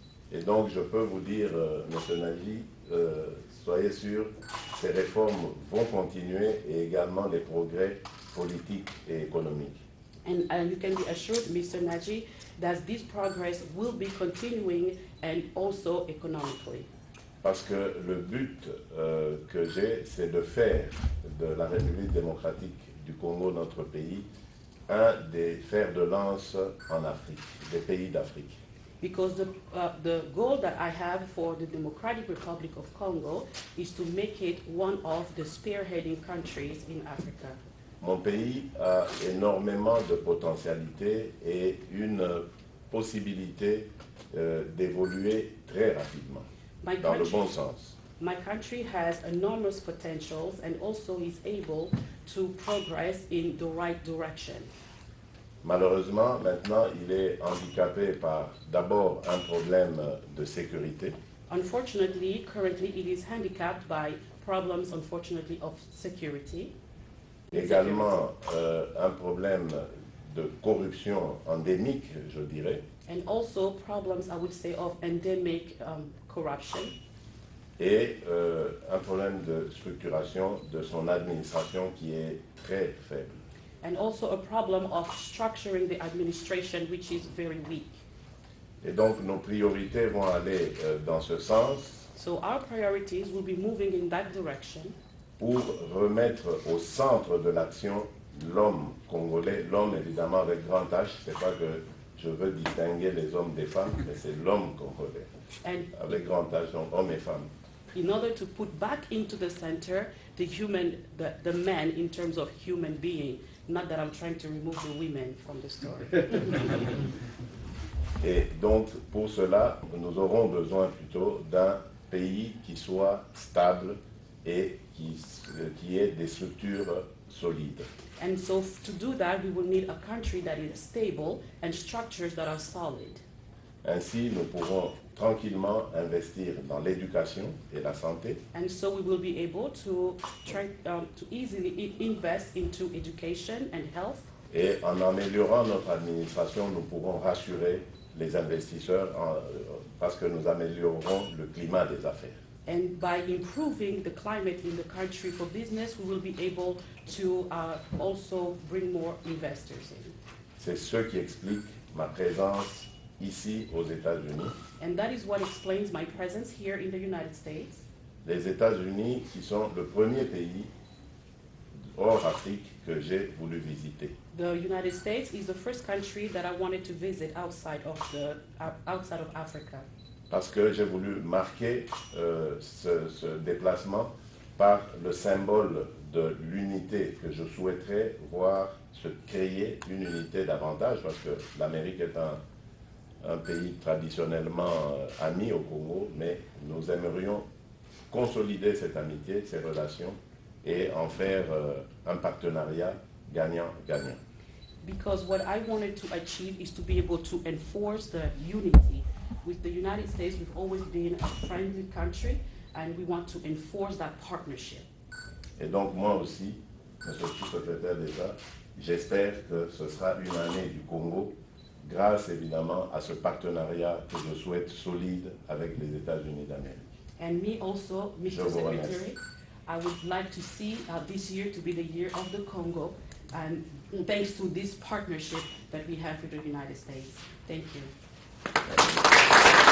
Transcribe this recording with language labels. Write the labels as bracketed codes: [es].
[fr] Et donc je peux vous dire, Monsieur Nagy, soyez sûr, ces réformes vont continuer et également les progrès politiques et économiques. [en] And you can be assured, Mr. Nagy, that this progress will be continuing and also economically. [fr] Parce que le but que j'ai, c'est de faire de la République démocratique du Congo, notre pays, un des fers de lance en Afrique, des pays d'Afrique. [en] Because the goal that I have for the Democratic Republic of Congo is to make it one of the spearheading countries in Africa. [fr] Mon pays a énormément de potentialités et une possibilité d'évoluer très rapidement dans le bon sens. [en] My country has enormous potentials and also is able to progress in the right direction. [fr] Malheureusement, maintenant, il est handicapé par d'abord un problème de sécurité. [en] Unfortunately, currently, it is handicapped by problems, unfortunately, of security. [fr] Également, un problème de corruption endémique, je dirais. [en] And also problems, I would say, of endemic corruption. [fr] Et un problème de structuration de son administration qui est très faible. [en] And also a problem of structuring the administration, which is very weak. [fr] Et donc nos priorités vont aller dans ce sens. [en] So our priorities will be moving in that direction. [fr] Pour remettre au centre de l'action l'homme congolais, l'homme évidemment avec grand H. C'est pas que je veux distinguer les hommes des femmes, mais c'est l'homme congolais [en] and [fr] avec grand H, donc homme et femme. [en] In order to put back into the center the human, the man in terms of human being. Not that I'm trying to remove the women from the story. [fr] Et donc, pour cela, nous aurons besoin plutôt d'un pays qui soit stable et qui ait des structures solides. [en] And so, to do that, we will need a country that is stable and structures that are solid. [fr] Ainsi, nous pourrons tranquillement investir dans l'éducation et la santé. [en] And so we will be able to try to easily invest into education and health. [fr] Et en améliorant notre administration, nous pourrons rassurer les investisseurs parce que nous améliorerons le climat des affaires. [en] And by improving the climate in the country for business, we will be able to also bring more investors in. [fr] C'est ce qui explique ma présence ici aux États-Unis. [en] And that is what explains my presence here in the United States. [fr] Les États-Unis qui sont le premier pays hors Afrique que j'ai voulu visiter. [en] The United States is the first country that I wanted to visit outside of Africa. [fr] Parce que j'ai voulu marquer ce déplacement par le symbole de l'unité que je souhaiterais voir se créer une unité davantage, parce que l'Amérique est un pays traditionnellement ami au Congo, mais nous aimerions consolider cette amitié, ces relations, et en faire un partenariat gagnant-gagnant. [en] Because what I wanted to achieve is to be able to enforce the unity. With the United States, we've always been a friendly country, and we want to enforce that partnership. [fr] Et donc moi aussi, monsieur le secrétaire d'État, j'espère que ce sera une année du Congo, grâce évidemment à ce partenariat que je souhaite solide avec les États-Unis d'Amérique. [en] And me also, Mr. Secretary, I would like to see this year to be the year of the Congo, and thanks to this partnership that we have with the United States. Thank you.